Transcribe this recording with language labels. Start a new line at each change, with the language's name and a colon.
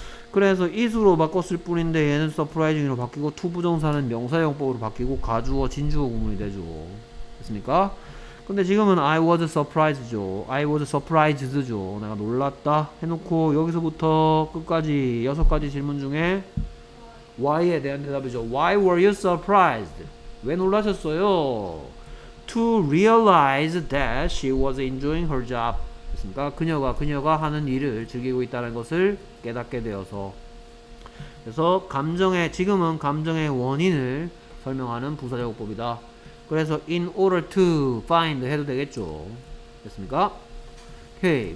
Korean: 그래서 is로 바꿨을 뿐인데 얘는 surprising으로 바뀌고 to 부정사는 명사형법으로 바뀌고 가주어, 진주어 구문이 되죠. 됐습니까? 근데 지금은
English: I was surprised죠. I was surprised죠.
Korean: 내가 놀랐다 해놓고 여기서부터 끝까지 여섯 가지 질문 중에 why에 대한 대답이죠.
English: Why were you surprised?
Korean: 왜 놀라셨어요?
English: To realize that she was enjoying her job.
Korean: 그러니까 그녀가 하는 일을 즐기고 있다는 것을 깨닫게 되어서. 그래서 감정의 지금은 감정의 원인을 설명하는 부사적용법이다. 그래서 in order to find 해도 되겠죠. 됐습니까? 오케이.